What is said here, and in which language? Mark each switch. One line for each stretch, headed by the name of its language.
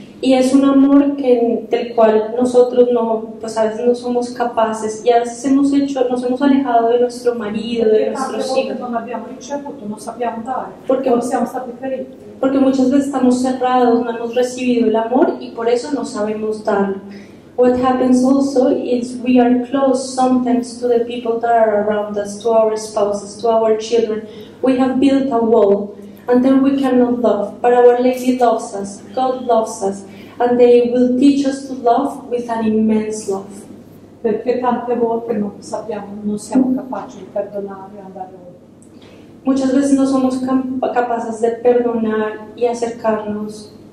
Spanish: Y es un amor del cual nosotros no, pues a veces no somos capaces. Ya nos hemos alejado de nuestro marido, de nuestros hijos. Porque no sabemos dar. Porque muchas veces estamos cerrados, no hemos recibido el amor y por eso no sabemos darlo.
English: What happens also is we are close sometimes to the people that are around us, to our spouses, to our children. We have built a wall, and then we cannot love. But Our Lady loves us, God loves us, and they will teach us to love with an immense love.
Italian: Perché tante volte non sappiamo, non siamo capaci di perdonare e andare oltre.
Spanish: Muchas veces no somos capaces de perdonar y acercarnos.